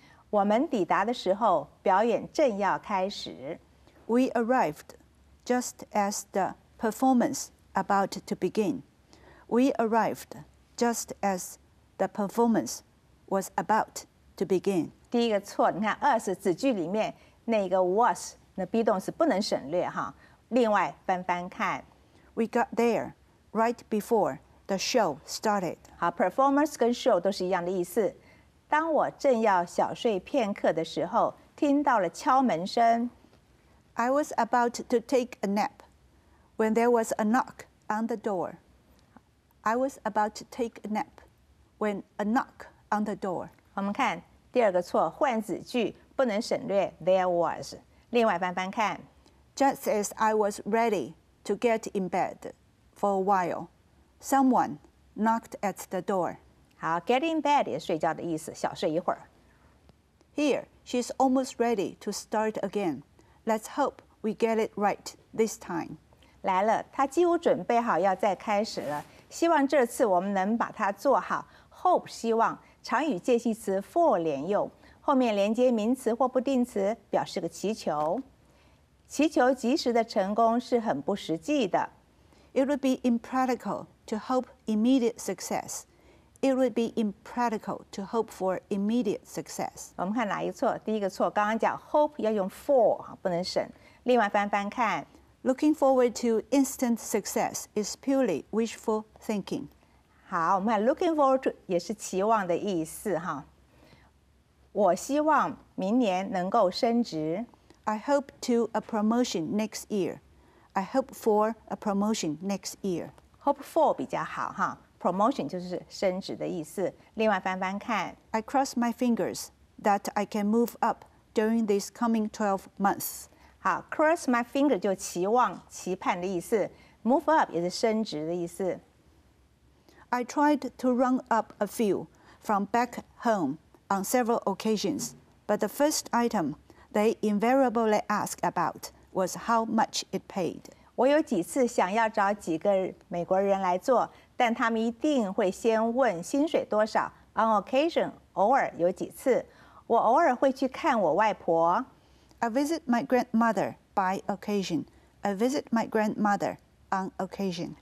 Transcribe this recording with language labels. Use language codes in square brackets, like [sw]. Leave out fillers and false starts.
[zh] 我们抵达的时候，表演正要开始。 [en] We arrived just as the performance about to begin. We arrived just as the performance. Was about to begin. [zh] 第一个错，你看 us 子句里面那个 was 那 be 动词不能省略哈。另外翻翻看 [en] ，We got there right before the show started. [zh] 好 ，performance 跟 show 都是一样的意思。当我正要小睡片刻的时候，听到了敲门声。 [en] I was about to take a nap when there was a knock on the door. I was about to take a nap when a knock. On the door. [zh] 我们看第二个错，换子句不能省略 [en] there was. [zh] 另外翻翻看 [en] Just as I was ready to get in bed for a while, someone knocked at the door. [zh] 好 [en] get in bed [zh] 也是睡觉的意思，小睡一会儿。 [en] Here, she's almost ready to start again. Let's hope we get it right this time. [zh] 来了，她几乎准备好要再开始了，希望这次我们能把它做好。 Hope 希望。常与介系词 for 连用，后面连接名词或不定词，表示个祈求。祈求及时的成功是很不实际的。 [en] It would be impractical to hope immediate success. It would be impractical to hope for immediate success. [zh] 我们看哪一个错？第一个错，刚刚讲 hope 要用 for 不能省。另外翻翻看 [en] ，Looking forward to instant success is purely wishful thinking. [zh] 好，我们 [en] looking forward to [zh] 也是期望的意思哈。我希望明年能够升职。 [en] I hope to a promotion next year. I hope for a promotion next year. Hope for [zh] 比较好哈。Promotion 就是升职的意思。另外翻翻看。 [en] I cross my fingers that I can move up during this coming 12 months. [zh] 好 ， [en] cross my finger [zh] 就期望、期盼的意思。 [en] Move up [zh] 也是升职的意思。 [en] I tried to run up a few from back home on several occasions, but the first item they invariably asked about was how much it paid. [zh] 我有几次想要找几个美国人来做，但他们一定会先问薪水多少。 [en] On occasion, [zh] 偶尔有几次，我偶尔会去看我外婆。 [en] I visit my grandmother by occasion. I visit my grandmother. On occasion.